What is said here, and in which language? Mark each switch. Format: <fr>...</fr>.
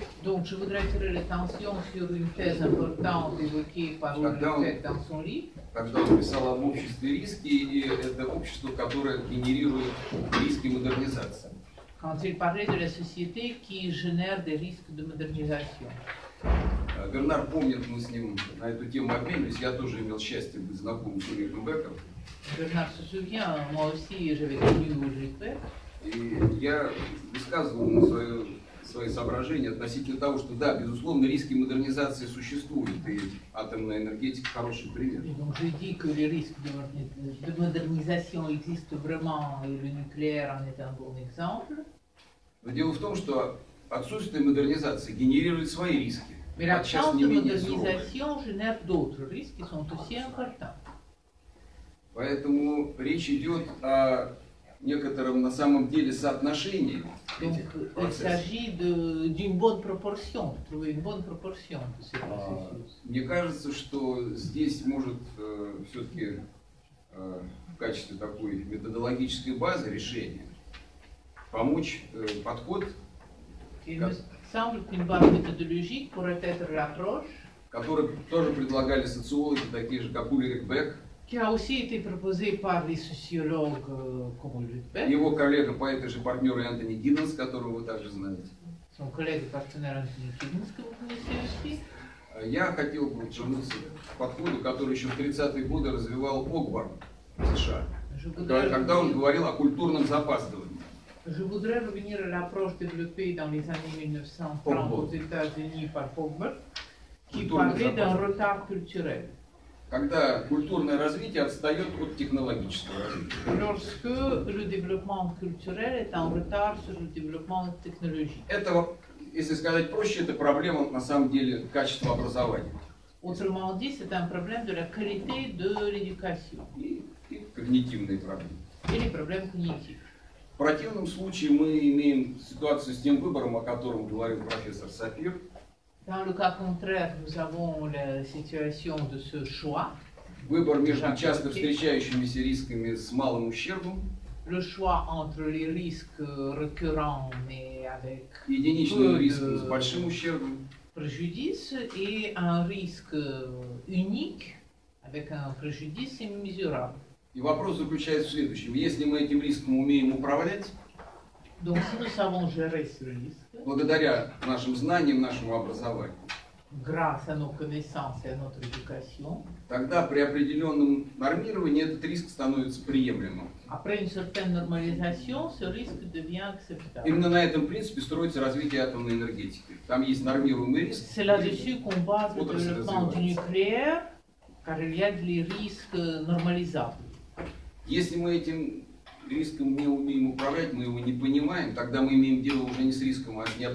<fr>Donc je voudrais tirer l'attention sur une thèse importante évoquée par Ulrich Beck dans son livre.</fr> <ru>Когда он писал об обществе риски, и это общество, которое генерирует риски модернизации.</ru> <fr>Quand il parlait de la société qui génère des risques de modernisation.</fr> <ru>Бернар помнит, мы с ним на эту тему обменились. Я тоже имел счастье быть знаком с Ульрихом Беком.</ru> <fr>Бернар se souvient, moi aussi j'avais connu Ulrich Beck.</fr> <ru>И я высказывал ему свои соображения относительно того, что да, безусловно, риски модернизации существуют, и атомная энергетика хороший пример. Уже дикий риск модернизации</ru> <fr>existe vraiment,</fr> <ru>и</ru> <fr>le nucléaire en est un bon exemple.</fr> <ru>Но дело в том, что отсутствие модернизации генерирует свои риски.</ru> <fr>Mais l'absence de modernisation génère d'autres risques, sont aussi importants.</fr> <ru>Поэтому речь идет о некотором на самом деле соотношении этих процессов. Мне кажется, что здесь может все-таки в качестве такой методологической базы решения помочь подход, который тоже предлагали социологи, такие же, как Ульрих Бек.</ru> <fr>Qui a aussi été proposé par des sociologues comme Ulrich Beck.</fr> <ru>Его коллега по этой же партнеру Энтони Гидденс, которого вы также знаете.</ru> <fr>Son collègue partenaire Anthony Giddens, que vous connaissez aussi.</fr> <ru>Я хотел бы вернуться к подходу, который еще в 30-е годы развивал Окборн в США, когда он говорил о культурном запаздывании.</ru> <fr>Je voudrais revenir à l'approche développée dans les années 1930 aux États-Unis par Окборн. qui parlait d'un retard culturel.</fr> <ru>Когда культурное развитие отстает от технологического развития.</ru> <fr>Lorsque le développement culturel est en retard sur le développement technologique.</fr> <ru>Это, если сказать проще, это проблема на самом деле качества образования.</ru> <fr>Autrement dit, c'est un problème de la qualité de l'éducation.</fr> <ru>И когнитивные проблемы. Или проблемы когнитивные. В противном случае мы имеем ситуацию с тем выбором, о котором говорил профессор Сапир.</ru> <fr>Dans le cas contraire, nous avons la situation de ce choix.</fr> <ru>Выбор между часто встречающимися рисками с малым ущербом.</ru> <fr>Le choix entre les risques récurrents mais avec</fr> <ru>единичным риском с большим ущербом.</ru> <fr>Préjudice et un risque unique avec un préjudice immesurable.</fr> <ru>И вопрос заключается в следующем: если мы этим риском умеем управлять,</ru> <fr>donc si nous savons gérer ce risque,</fr> <ru>благодаря нашим знаниям, нашему образованию,</ru> <fr>grâce à nos connaissances et à notre éducation,</fr> <ru>тогда при определенном нормировании этот риск становится приемлемым.</ru> <fr>Après une certaine normalisation, ce risque devient acceptable.</fr> <ru>Именно на этом принципе строится развитие атомной энергетики. Там есть нормируемый риск.</ru> <fr>C'est là-dessus qu'on base le développement du nucléaire, car il y a des risques normalisables.</fr> <ru>Если мы этим риском не умеем управлять, мы его не понимаем, тогда мы имеем дело уже не с риском, а с</ru>